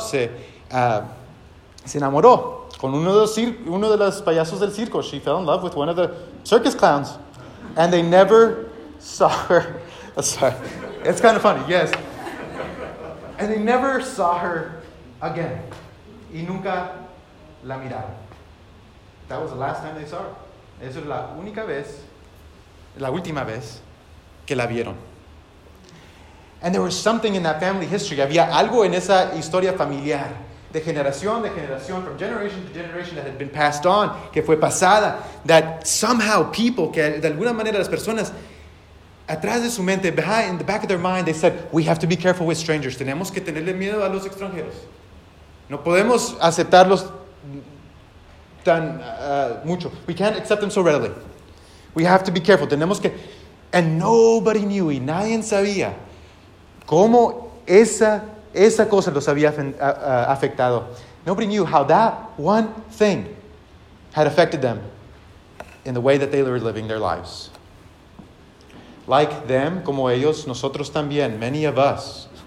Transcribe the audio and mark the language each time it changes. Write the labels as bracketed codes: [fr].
[es] Se enamoró con uno de los payasos del circo. [en] She fell in love with one of the circus clowns. And they never saw her. Sorry. It's kind of funny. Yes. And they never saw her again. [es] Y nunca la miraron. [en] That was the last time they saw her. [es] Esa es la única vez, la última vez que la vieron. [en] And there was something in that family history. [es] Había algo en esa historia familiar. De generación, de generación, [en] from generation to generation that had been passed on, [es] que fue pasada, [en] that somehow people, [es] que de alguna manera las personas, atrás de su mente, [en] behind, in the back of their mind, they said, we have to be careful with strangers. [es] Tenemos que tenerle miedo a los extranjeros. No podemos aceptarlos tan mucho. [en] We can't accept them so readily. We have to be careful. [es] Tenemos que... [en] And nobody knew, [es] y nadie sabía, cómo esa cosa los había afectado. [en] Nobody knew how that one thing had affected them in the way that they were living their lives. Like them, [es] como ellos, nosotros también, [en] many of us.